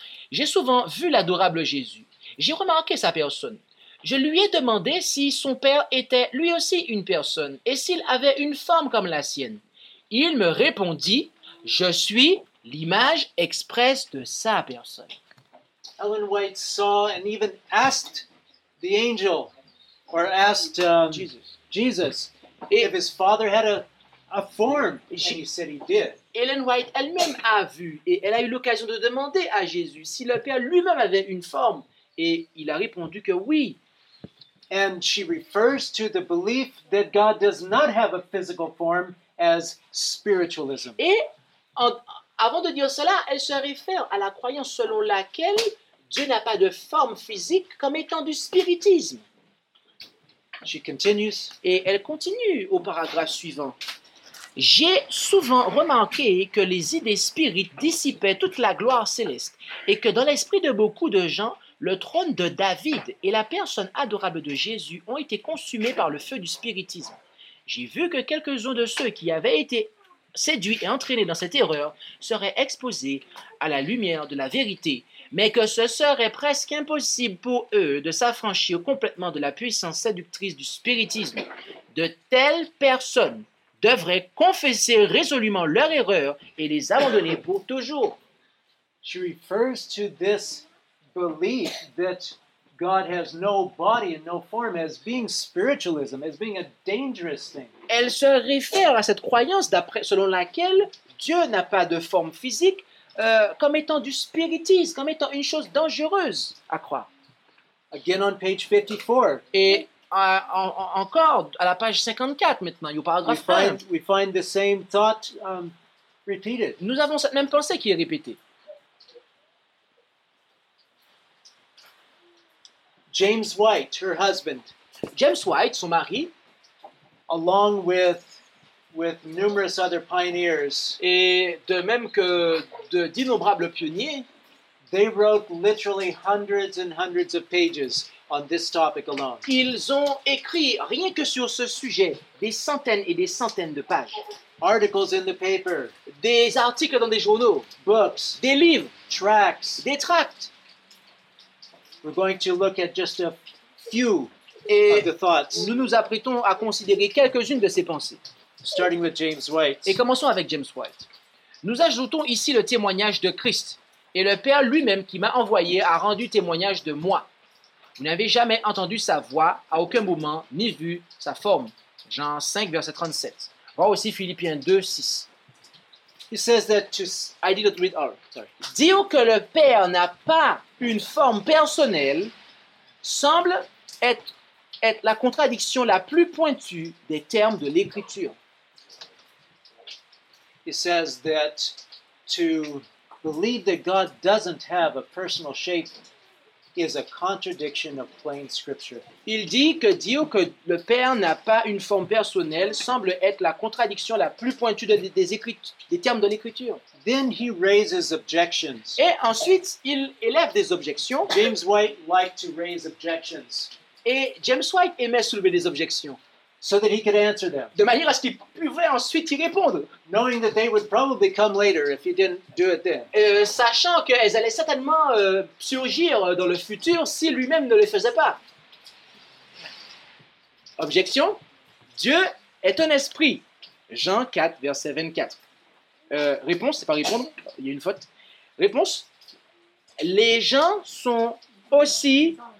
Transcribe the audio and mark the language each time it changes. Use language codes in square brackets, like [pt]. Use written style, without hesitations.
[fr] J'ai souvent vu l'adorable Jésus. J'ai remarqué sa personne. Je lui ai demandé si son père était lui aussi une personne et s'il avait une forme comme la sienne. Il me répondit, je suis l'image expresse de sa personne. [en] Ellen White saw and even asked the angel, or asked Jesus, if his father had a form, and he said he did. [fr] Ellen White elle-même a vu, et elle a eu l'occasion de demander à Jésus si le Père lui-même avait une forme, et il a répondu que oui. [en] And she refers to the belief that God does not have a physical form as spiritualism. [fr] Et avant de dire cela, elle se réfère à la croyance selon laquelle Dieu n'a pas de forme physique comme étant du spiritisme. [en] She continues. [fr] Et elle continue au paragraphe suivant. J'ai souvent remarqué que les idées spirites dissipaient toute la gloire céleste et que dans l'esprit de beaucoup de gens, le trône de David et la personne adorable de Jésus ont été consumés par le feu du spiritisme. J'ai vu que quelques-uns de ceux qui avaient été séduits et entraînés dans cette erreur seraient exposés à la lumière de la vérité, mais que ce serait presque impossible pour eux de s'affranchir complètement de la puissance séductrice du spiritisme. De telles personnes devraient confesser résolument leur erreur et les abandonner pour toujours. [en] She refers to this belief that God has no body and no form as being spiritualism, as being a dangerous thing. [fr] Elle se réfère à cette croyance d'après selon laquelle Dieu n'a pas de forme physique comme étant du spiritisme, comme étant une chose dangereuse à croire. [en] Again on page 54. [fr] Et encore à la page 54 maintenant, au paragraphe 1. [en] We find the same thought repeated. [fr] Nous avons cette même pensée qui est répétée. [en] James White, her husband. [fr] James White, son mari, [en] along with numerous other pioneers, [fr] et de même que d'innombrables pionniers, [en] they wrote literally hundreds and hundreds of pages on this topic alone. [fr] Ils ont écrit rien que sur ce sujet des centaines et des centaines de pages. [en] Articles in the paper. [fr] Des articles dans des journaux. [en] Books. [fr] Des livres. [en] Tracts. [fr] Des tracts. [en] We're going to look at just a few of the thoughts. [fr] Nous nous apprêtons à considérer quelques-unes de ces pensées. [en] Starting with James White. [fr] Et commençons avec James White. Nous ajoutons ici le témoignage de Christ et le Père lui-même qui m'a envoyé a rendu témoignage de moi. Vous n'avez jamais entendu sa voix à aucun moment ni vu sa forme. Jean 5, verset 37. Voir aussi Philippiens 2, 6. [en] He says that to... I didn't read all. Sorry. [fr] Dire que le Père n'a pas une forme personnelle semble être la contradiction la plus pointue des termes de l'Écriture. [en] He says that to believe that God doesn't have a personal shape is a contradiction of plain scripture. [fr] Il dit que dire que le Père n'a pas une forme personnelle semble être la contradiction la plus pointue des termes de l'Écriture. [en] Then he raises objections. [fr] Et ensuite, il élève des objections. [en] James White liked to raise objections. [fr] Et James White aimait soulever des objections. [en] So that he could answer them. [fr] De manière à ce qu'il pouvait ensuite y répondre. [en] Knowing that they would probably come later if he didn't do it then. [fr] Sachant qu'elles allaient certainement surgir dans le futur si lui-même ne les faisait pas. Objection. Dieu est un esprit. Jean 4, verset 24. Réponse, c'est pas répondre, il y a une faute. Réponse. Les gens sont aussi...